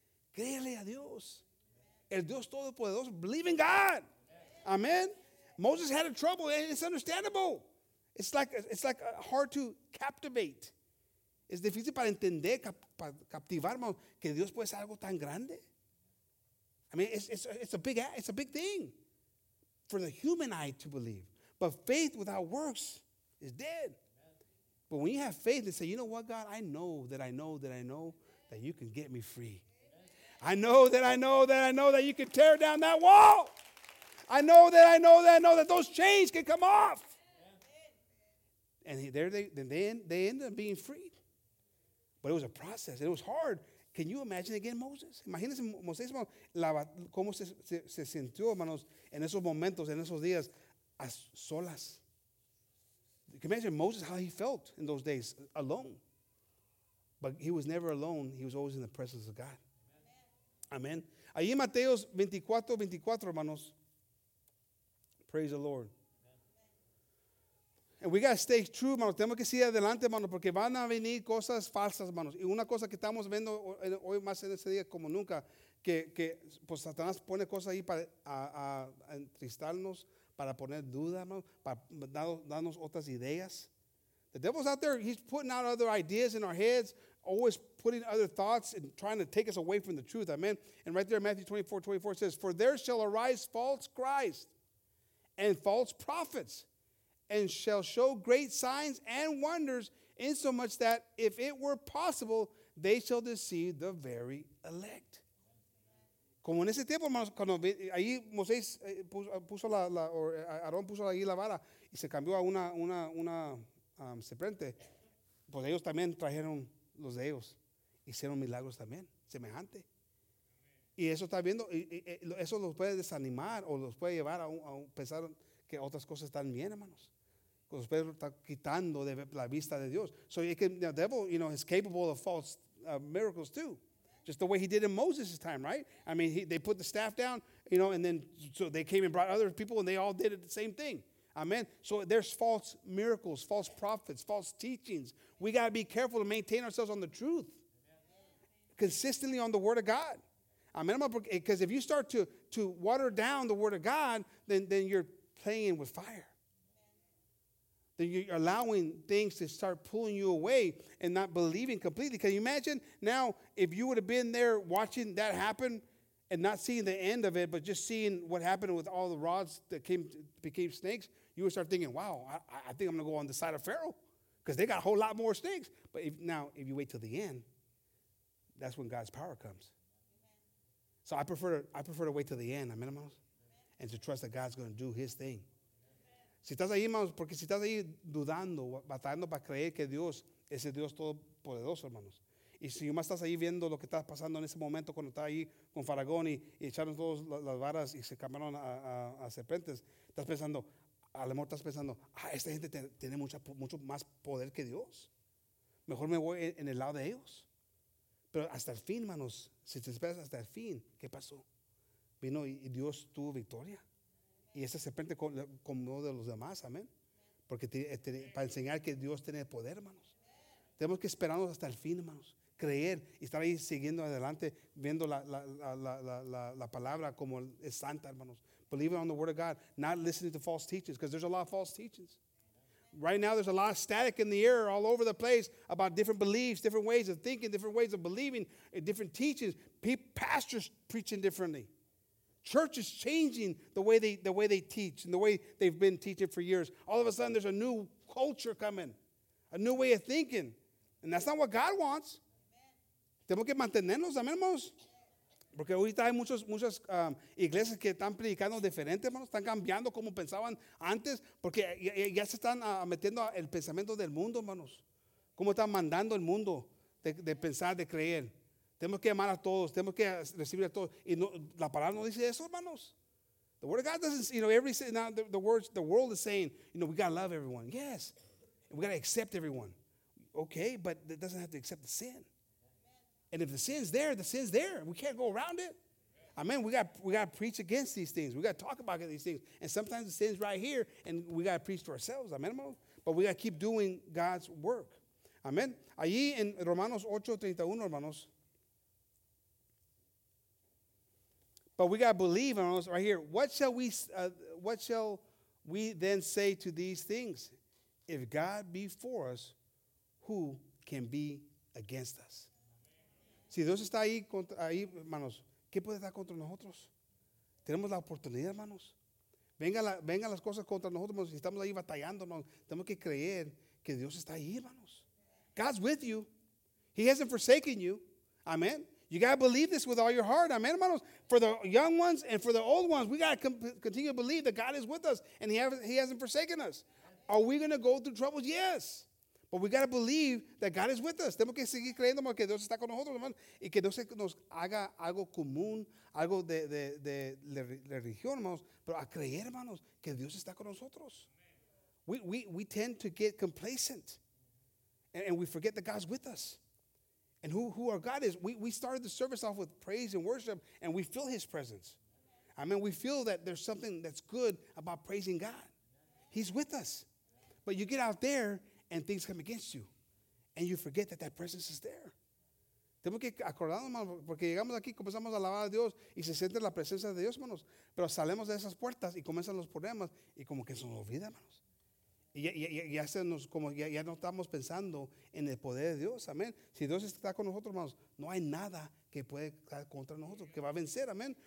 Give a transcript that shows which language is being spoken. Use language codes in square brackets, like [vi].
[es] Créale a Dios. El Dios Todopoderoso. [en] Believe in God. Amén. Moses had a trouble. And it's understandable. It's like hard to captivate. [es] Es difícil para entender, para captivar, que Dios puede ser algo tan grande. [en] I mean, it's a big thing for the human eye to believe. But faith without works is dead. Amen. But when you have faith and say, you know what, God, I know that you can get me free. Amen. I know that you can tear down that wall. I know that those chains can come off. And they ended up being freed. But it was a process. It was hard. Can you imagine again Moses? [es] Imagínense Moisés, cómo se sintió, hermanos, en esos momentos, en esos días, a solas. [en] Can you imagine Moses, how he felt in those days, alone? But he was never alone. He was always in the presence of God. [es] Amen. Allí en Mateos 24:24, hermanos. [en] Praise the Lord. And we got to stay true, hermanos. [es] Tenemos que seguir adelante, hermanos, porque van a venir cosas falsas, hermanos. Y una cosa que estamos viendo hoy más en ese día como nunca, que pues Satanás pone cosas ahí para a entristarnos, para poner duda, hermanos, para darnos otras ideas. [en] The devil's out there, he's putting out other ideas in our heads, always putting other thoughts and trying to take us away from the truth, amen? And right there in Matthew 24:24 says, for there shall arise false Christ and false prophets, and shall show great signs and wonders, insomuch that if it were possible, they shall deceive the very elect. [es] Como en ese tiempo, hermanos, cuando ahí Moisés puso la, o Aarón puso ahí la vara y se cambió a una serpiente, pues ellos también trajeron los de ellos, hicieron milagros también, semejante. Y eso está viendo, eso los puede desanimar o los puede llevar a pensar que otras cosas están bien, hermanos. Los puede estar quitando de la vista de Dios. [en] So the devil, you know, is capable of false miracles too. Just the way he did in Moses' time, right? I mean, they put the staff down, you know, and then so they came and brought other people and they all did it the same thing. Amen. So there's false miracles, false prophets, false teachings. We got to be careful to maintain ourselves on the truth. Consistently on the word of God. Amen. Because if you start to water down the word of God, then you're playing with fire. Then you're allowing things to start pulling you away and not believing completely. Can you imagine now if you would have been there watching that happen and not seeing the end of it, but just seeing what happened with all the rods that became snakes, you would start thinking, wow, I think I'm going to go on the side of Pharaoh because they got a whole lot more snakes. But if you wait till the end, that's when God's power comes. So I prefer to wait till the end, amen, hermanos, and to trust that God's going to do his thing. [es] Si estás ahí, hermanos, porque si estás ahí dudando, batallando para creer que Dios es el Dios todopoderoso, hermanos. Y si más estás ahí viendo lo que está pasando en ese momento cuando está ahí con Faragón y echaron todas las varas y se cambiaron a serpientes, estás pensando, A lo mejor estás pensando, ah, esta gente tiene mucho más poder que Dios. Mejor me voy en el lado de ellos. Pero hasta el fin, hermanos, si te esperas hasta el fin, ¿qué pasó? Vino y Dios tuvo victoria. Y esa serpiente comió de los demás, amén. Porque para enseñar que Dios tiene poder, hermanos. Tenemos que esperarnos hasta el fin, hermanos. Creer y estar ahí siguiendo adelante, viendo la palabra como es santa, hermanos. [en] Believing on the word of God, not listening to false teachings, because there's a lot of false teachings. Right now, there's a lot of static in the air all over the place about different beliefs, different ways of thinking, different ways of believing, different teachings. Pastors preaching differently. Churches changing the way they teach and the way they've been teaching for years. All of a sudden, there's a new culture coming, a new way of thinking. And that's not what God wants. [es] Tenemos que mantenernos, amén, hermanos. Porque ahorita hay muchas iglesias que están predicando diferente, hermanos. Están cambiando como pensaban antes. Porque ya se están metiendo el pensamiento del mundo, hermanos. Cómo están mandando el mundo de pensar, de creer. Tenemos que amar a todos. Tenemos que recibir a todos. Y no, la palabra no dice eso, hermanos. [en] The word of God doesn't, you know, the world is saying, you know, we got to love everyone. Yes. We got to accept everyone. Okay, but it doesn't have to accept the sin. And if the sin's there, the sin's there. We can't go around it. Amen. We got to preach against these things. We got to talk about these things. And sometimes the sin's right here, and we got to preach to ourselves. Amen. But we got to keep doing God's work. Amen. [es] Allí en Romanos 8:31, hermanos. [en] But we got to believe, hermanos, right here. What shall we then say to these things? If God be for us, who can be against us? [es] Si Dios está ahí, hermanos, ¿qué puede estar contra nosotros? Tenemos la oportunidad, hermanos. Vengan las cosas contra nosotros, hermanos, si estamos ahí batallando, hermanos. Tenemos que creer que Dios está ahí, hermanos. [en] God's with you. He hasn't forsaken you. Amen. You got to believe this with all your heart. Amen, hermanos. For the young ones and for the old ones, we got to continue to believe that God is with us and he hasn't forsaken us. Are we going to go through troubles? Yes. But we got to believe that God is with us. [es] Tenemos que seguir creyendo que Dios está con nosotros, hermano. Y que no se nos haga algo común, algo de la religión, hermanos. Pero a creer, hermanos, que Dios está con nosotros. [en] We tend to get complacent. And we forget that God's with us. And who our God is. We started the service off with praise and worship. And we feel his presence. I mean, we feel that there's something that's good about praising God. He's with us. But you get out there. And things come against you. And you forget that that presence is there. [es] Tenemos que acordarnos, hermanos, porque llegamos aquí, comenzamos a alabar a Dios y se siente la presencia de Dios, hermanos. Pero salimos de esas puertas y comienzan los problemas y como que se nos olvida, hermanos. Y ya no estamos pensando en el poder de Dios, amén. Si Dios está con nosotros, hermanos, no hay nada que puede estar contra nosotros, que va a vencer, amén.